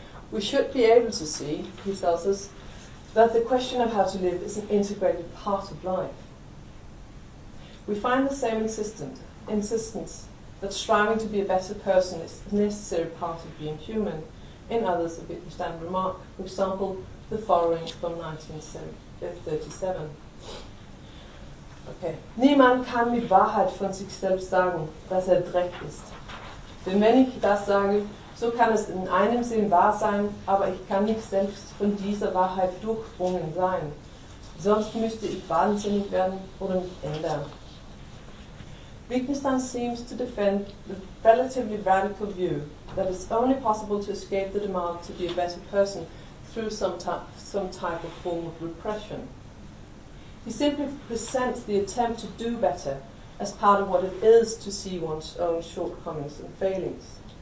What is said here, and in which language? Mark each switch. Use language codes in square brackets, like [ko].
[en] We should be able to see, he tells us, that the question of how to live is an integrated part of life. We find the same insistence that striving to be a better person is a necessary part of being human in others of Wittgenstein's remark, for example, the following from 1937. Okay. [de] Niemand kann mit Wahrheit von sich selbst sagen, dass Dreck ist. Denn wenn ich das sage, so kann es in einem Sinn wahr sein, aber ich kann nicht selbst von dieser Wahrheit durchdrungen sein. Sonst müsste ich wahnsinnig werden oder mich ändern. [en] Wittgenstein seems to defend the relatively radical view that it's only possible to escape the demand to be a better person through some type of form of repression. He simply presents the attempt to do better as part of what it is to see one's own shortcomings and failings.